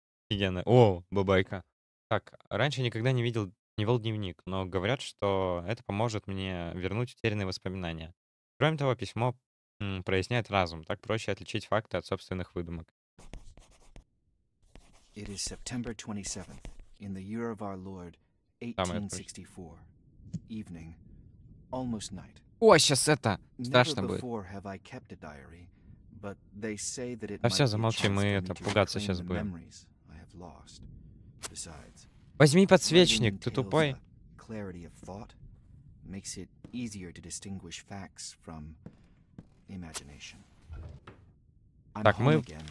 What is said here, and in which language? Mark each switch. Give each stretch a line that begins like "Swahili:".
Russian: Офигенно. О, бабайка. Так, раньше я никогда не видел, не вел дневник, но говорят, что это поможет мне вернуть утерянные воспоминания. Кроме того, письмо проясняет разум. Так проще отличить факты от собственных выдумок.
English: It is September 27th. In the year of our Lord, 1864, evening, almost night.
Russian: О, сейчас это страшно будет.
English: Never before have I kept a diary, but they say that it might be a chance for me to reclaim the memories I have lost.
Russian: Besides, возьми подсвечник, ты тупой.
English: Clarity of thought makes it easier to distinguish facts from imagination. Так, мы